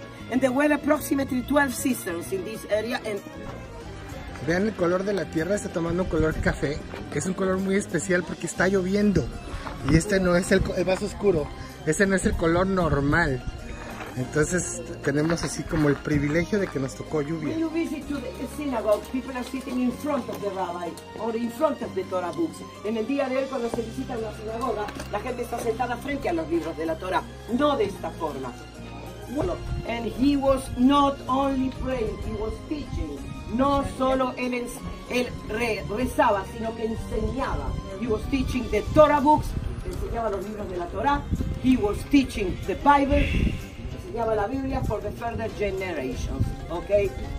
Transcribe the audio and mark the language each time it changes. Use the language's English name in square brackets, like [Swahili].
[English] And there were approximately 12 cisterns in this area. And [Spanish] vean el color de la tierra, está tomando un color café. Es un color muy especial porque está lloviendo. Y este no es el vaso oscuro. Este no es el color normal. Entonces tenemos así como el privilegio de que nos tocó lluvia. [English] When you visit to the synagogue, people are sitting in front of the rabbi or in front of the Torah books. [Spanish] En el día de hoy cuando se visita la sinagoga, la gente está sentada frente a los libros de la Torah. No de esta forma. [English] Bueno, and he was not only praying, he was teaching. [Spanish] No solo él rezaba, sino que enseñaba. [English] He was teaching the Torah books, [Spanish] enseñaba los libros de la Torah. [English] He was teaching the Bible, [Spanish] enseñaba la Biblia [English] for the further generations. Okay?